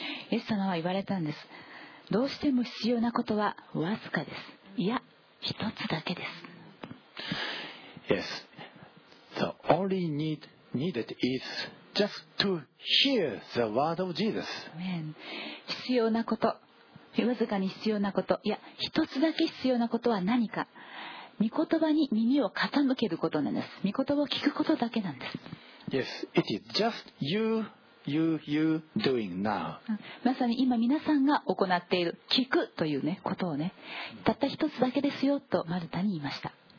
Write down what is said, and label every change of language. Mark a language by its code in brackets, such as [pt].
[ja] イエス様は言われたんです。どうしても必要なことはわずかです。いや、一つだけです。 [en] The only need needed is just to hear the word of Jesus. [ja] 必要なこと、わずかに必要なこと、いや、一つだけ必要なことは何か。御言葉に耳を傾けることなんです。御言葉を聞くことだけなんです。 [en] Yes, it is just you doing now. [ja] まさに今皆さんが行っている聞くというねことをね、たった一つだけですよとマルタに言いました。